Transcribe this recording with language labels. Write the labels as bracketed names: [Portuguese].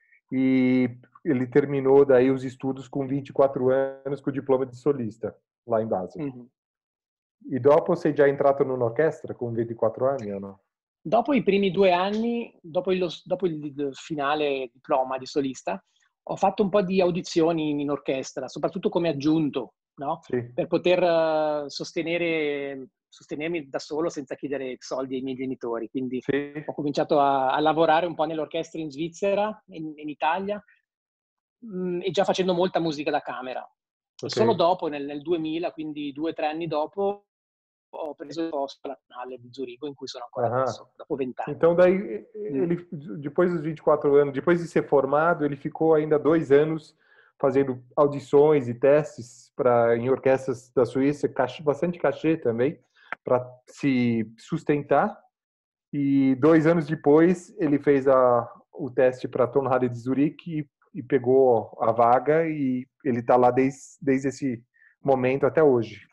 [Portuguese] E ele terminou daí os estudos com 24 anos com o diploma [Italian] di solista, [Portuguese] lá in Basel. [Italian] E dopo sei già entrato in un'orchestra con 24 anni o no? Dopo i primi 2 anni, dopo il finale diploma di solista, ho fatto un po' di audizioni in orchestra, soprattutto come aggiunto, no? Sì. Per poter sostenermi da solo senza chiedere soldi ai miei genitori. Quindi sì. Ho cominciato a lavorare un po' nell'orchestra in Svizzera, in Italia, e già facendo molta musica da camera. Okay. Solo dopo, nel 2000, quindi 2 o 3 anni dopo, ho preso il posto alla Nazionale di Zurigo, in cui sono ancora adesso, dopo 20 anni. [Portuguese] Então, daí, ele, depois dos 24 anni, depois di ser formato, ele ficou ainda 2 anni fazendo audições e testes em orquestras da Suíça, bastante cachê também, para se sustentar. E 2 anni depois, ele fez o teste para a Tonhalle di Zurigo e pegou a vaga e ele tá lá desde esse momento até hoje.